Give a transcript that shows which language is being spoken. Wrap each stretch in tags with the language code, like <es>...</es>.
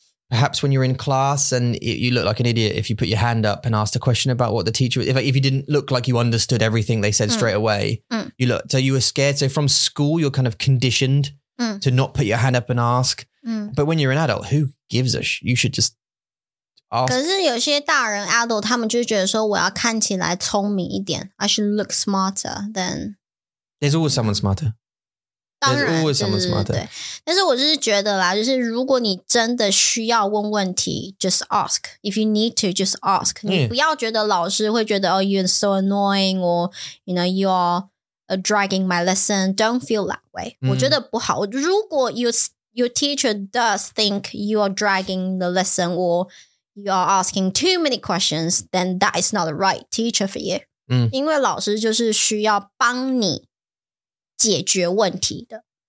<en>Perhaps when you're in class and you look like an idiot if you put your hand up and asked a question about what the teacher, if you didn't look like you understood everything they said straight away, you look, so you were scared. So from school, you're kind of conditioned to not put your hand up and ask. But when you're an adult, who gives a sh-? You should just ask.</en> <zh>可是有些大人 adult, 他们就觉得说我要看起来聪明一点。</zh> <en>I should look smarter than... There's always someone smarter. There's always someone smarter.</en> <zh>但是我就是觉得啦，就是如果你真的需要问问题</zh> <en>just ask. If you need to, just ask.</en> <zh>你不要觉得老师会觉得</zh> <en>oh, you're so annoying or you know, you are dragging my lesson. Don't feel that way.</en> <zh>我觉得不好。</zh> <en>如果 your teacher does think you are dragging the lesson or you are asking too many questions, then that is not the right teacher for you.</en> <zh>因为老师就是需要帮你解决问题的</zh>